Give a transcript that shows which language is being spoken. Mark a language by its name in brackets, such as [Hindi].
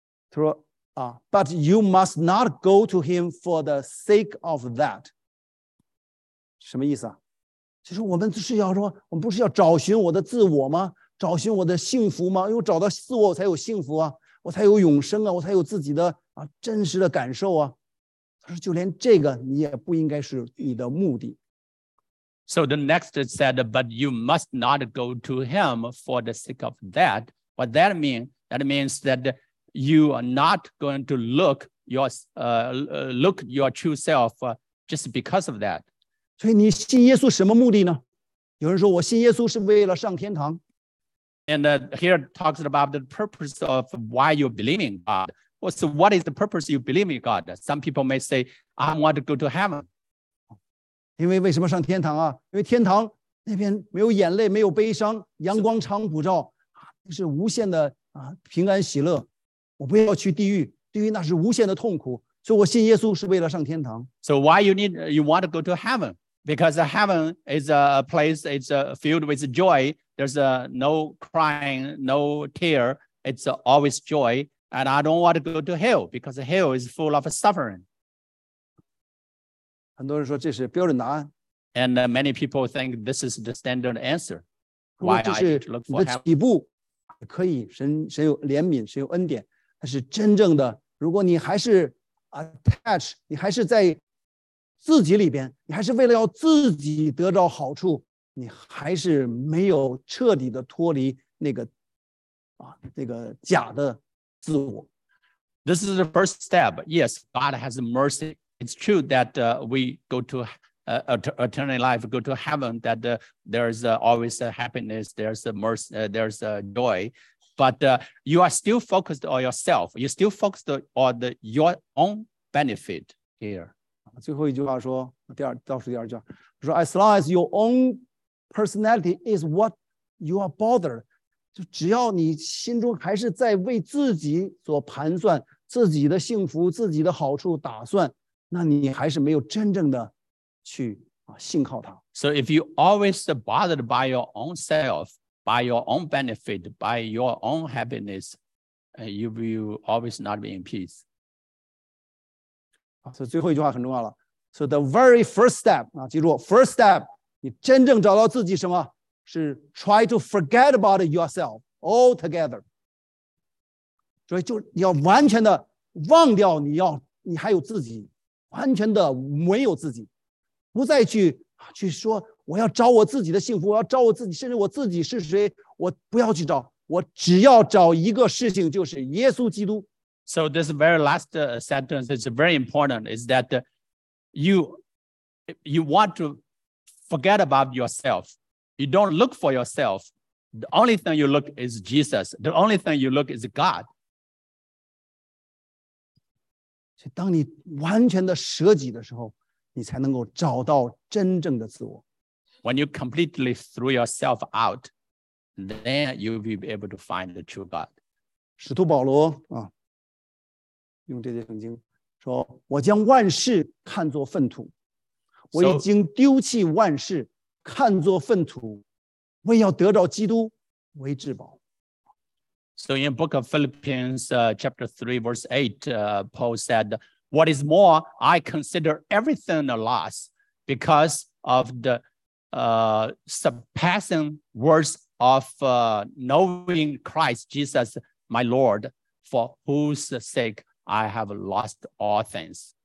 [Chinese] 他说、啊、 [English] But you must not go to him for the sake of that. [Chinese] 什么意思啊？就是我们是要说，我们不是要找寻我的自我吗？找寻我的幸福吗？因为找到自我才有幸福啊。我才有永生啊，我才有自己的啊真实的感受啊。他说就连这个你也不应该是你的目的。 [English] So the next said, but you must not go to him for the sake of that. What that means? That means that you are not going to look your true self just because of that. [Chinese] 所以你信耶稣什么目的呢？有人说我信耶稣是为了上天堂。 [English] And here talks about the purpose of why you're believing God. So what is the purpose you believe in God? Some people may say, I want to go to heaven. [Chinese] 因为什么上天堂啊？因为天堂那边没有眼泪，没有悲伤，阳光常普照，是无限的啊，平安喜乐。我不要去地狱，地狱那是无限的痛苦。所以我信耶稣是为了上天堂。 [English] So why you want to go to heaven? Because heaven is a place, it's filled with joy. There's no crying, no tear. It's always joy. And I don't want to go to hell because hell is full of suffering. [Chinese] 很多人说这是标准答案。 [English] And many people think this is the standard answer. Why I should look for hell? [Chinese] 起步可以，神有怜悯，神有恩典。但是真正的，如果你还是 attached, 你还是在自己里边，你还是为了要自己得到好处。你还是没有彻底的脱离那个假的自我。 [English] This is the first step. Yes, God has mercy. It's true that we go to eternal life, go to heaven, that there's always a happiness, there's a mercy, there's a joy. But you are still focused on yourself. You're still focused on your own benefit here. [Chinese] 最后一句话说，倒数第二句话，说 [English] as long as your own personality is what you are bothered. [Chinese] 就只要你心中还是在为自己所盘算自己的幸福自己的好处打算那你还是没有真正的去信靠他。 [English] So if you always bothered by your own self, by your own benefit, by your own happiness, you will always not be in peace. So [Chinese] 最后一句话很重要了。 [English] So the very first step, [Chinese] 记住 [English] first step, [Chinese] 你真正找到自己什么？ [English] 是 try to forget about yourself altogether. [Chinese] 所以就你要完全的忘掉你还有自己，完全的没有自己，不再去说我要找我自己的幸福，我要找我自己，甚至我自己是谁，我不要去找，我只要找一个事情，就是耶稣基督。 [English] So this very last sentence is very important. Is that you want to? Forget about yourself. You don't look for yourself. The only thing you look is Jesus. The only thing you look is God. [Chinese] 当你完全的舍己的时候，你才能够找到真正的自我。 [English] When you completely threw yourself out, then you will be able to find the true God. [Chinese] 使徒保罗啊，用这些圣经说：“我将万事看作粪土。” 我已经丢弃万事，看作粪土，为要得着基督为至宝。 [English] So in Book of Philippians, chapter 3, verse 8, Paul said, "What is more, I consider everything a loss because of the surpassing worth of knowing Christ Jesus, my Lord, for whose sake I have lost all things.